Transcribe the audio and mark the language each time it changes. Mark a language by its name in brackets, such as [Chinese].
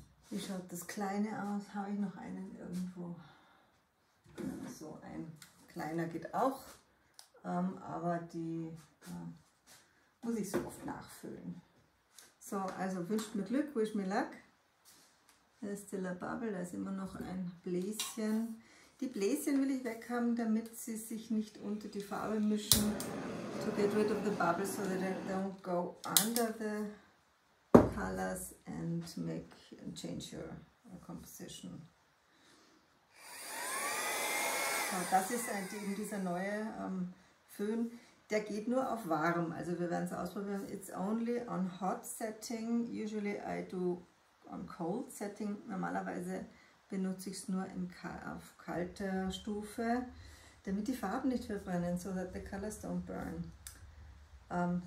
[German] Wie schaut das Kleine aus? Habe ich noch einen irgendwo? So ein kleiner geht auch, aber die muss ich so oft nachfüllen. So, also wünscht mir Glück, [English] wish me luck. [German] Das ist [English] still a bubble, [German] da ist immer noch ein Bläschen. Die Bläschen will ich weg haben, damit sie sich nicht unter die Farbe mischen. [English] To get rid of the bubbles so that they don't go under the colors and make and change your composition. [German] So, das ist halt eben dieser neue Föhn. Der geht nur auf warm, also wir werden es ausprobieren. [English] It's only on hot setting, usually I do on cold setting. [German] Normalerweise benutze ich es nur in auf kalter Stufe, damit die Farben nicht verbrennen, [English] so that the colors don't burn.